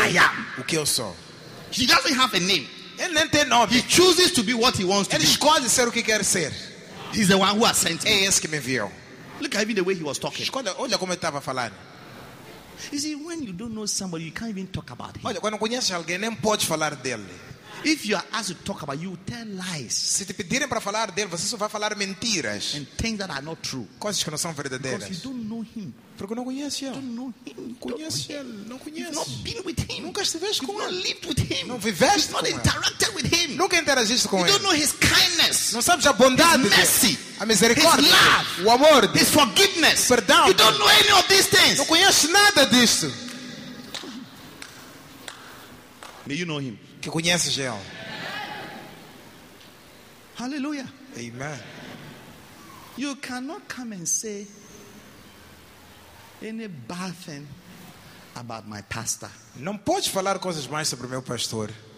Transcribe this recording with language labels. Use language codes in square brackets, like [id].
[en] I am. [pt] O que eu sou. [en] He doesn't have a name. [pt] Ele não tem nome. [en] He chooses to be what he wants to [pt] ele Ele escolhe ser o que quer ser. [en] He's the one who has sent me. [pt] É esse que me enviou. [en] Look at even the way he was talking. [pt] Olha como ele estava falando. [en] You see, when you don't know somebody, you can't even talk about him. [pt] Olha, quando conheces alguém, nem pode falar dele. [en] If you are asked to talk about, you tell lies. [pt] Se te pedirem para falar dele, você só vai falar mentiras. [en] And things that are not true. [pt] Coisas que não são verdadeiras. [en] Because you don't know him. [pt] Porque não conheces ele. [en] You don't know him. [pt] Não conheces ele. [en] You've not been with him. [pt] Nunca estiveste com [en] not [pt] ele. [en] Not lived with him. [pt] Não viveste com ele. [en] Not interacted with him. [pt] Nunca interagiste com [en] you [pt] ele. [en] You don't know his kindness. [pt] Não sabes a bondade. [en] His mercy. [pt] A misericórdia. [en] His love. [pt] O amor. [en] His forgiveness. [pt] Perdão. [en] You don't know any of these things. [pt] Não conheces nada disso. [en] May you know him. [pt] Que conhece Jeão. [en] Hallelujah. Amen. You cannot come and say any bad thing about my pastor. [pt] Não pode falar coisas mais sobre meu pastor.